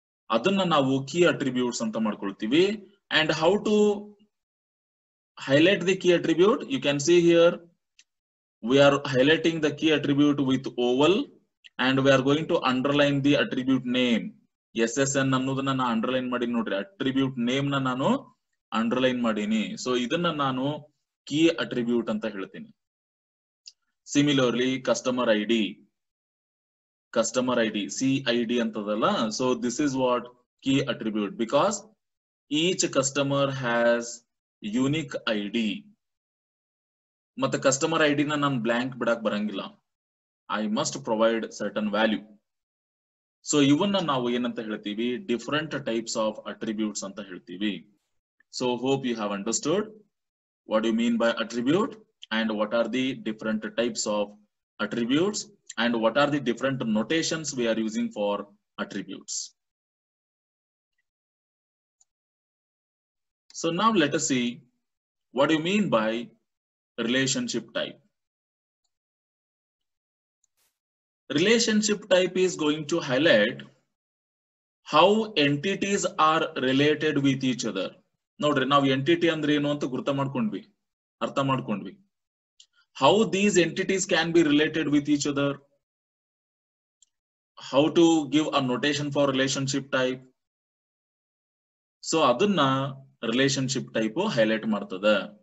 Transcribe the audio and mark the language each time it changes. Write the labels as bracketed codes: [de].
[kn] Adanna navu key attributes anta madkoltivi. [en] And how to highlight the key attribute, you can see here we are highlighting the key attribute with oval, and we are going to underline the attribute name. [kn] SSN ಅನ್ನೋದನ್ನ ನಾನು underline ಮಾಡೀನಿ ನೋಡ್ರಿ, attribute name ನ ನಾನು underline ಮಾಡೀನಿ. So ಇದನ್ನ ನಾನು key attribute ಅಂತ ಹೇಳ್ತೀನಿ. [en] similarly customer I D, customer I D CID [kn] ಅಂತದಲ್ಲ, [en] So this is what key attribute, because each customer has unique ID. [kn] ಮತ್ತೆ ಕಸ್ಟಮರ್ ಐಡಿನ ನಾನು ಬ್ಲ್ಯಾಂಕ್ ಬಿಡಕ್ ಬರಂಗಿಲ್ಲ, [en] I must provide certain value. [kn] So ಇವನ್ನ ನಾವು ಏನಂತ ಹೇಳ್ತೀವಿ, ಡಿಫರೆಂಟ್ ಟೈಪ್ಸ್ ಆಫ್ ಅಟ್ರಿಬ್ಯೂಟ್ಸ್ ಅಂತ ಹೇಳ್ತೀವಿ. [en] So hope you have understood what you mean by attribute and what are the different types of attributes and what are the different notations we are using for attributes. So ನಾವ್ let us see what you mean by relationship type. relationship type is going to highlight how entities are related with each other. [kn] ನೋಡ್ರಿ ನಾವು entity ಅಂದ್ರೆ ಏನು ಅಂತ ಗುರುತ ಮಾಡ್ಕೊಂಡ್ವಿ, ಅರ್ಥ ಮಾಡ್ಕೊಂಡ್ವಿ. [en] How these entities can be related with each other, how to give a notation for relationship type. [kn] So ಅದನ್ನ ರಿಲೇಶನ್ಶಿಪ್ ಟೈಪ್ ಹೈಲೈಟ್ ಮಾಡ್ತದೆ.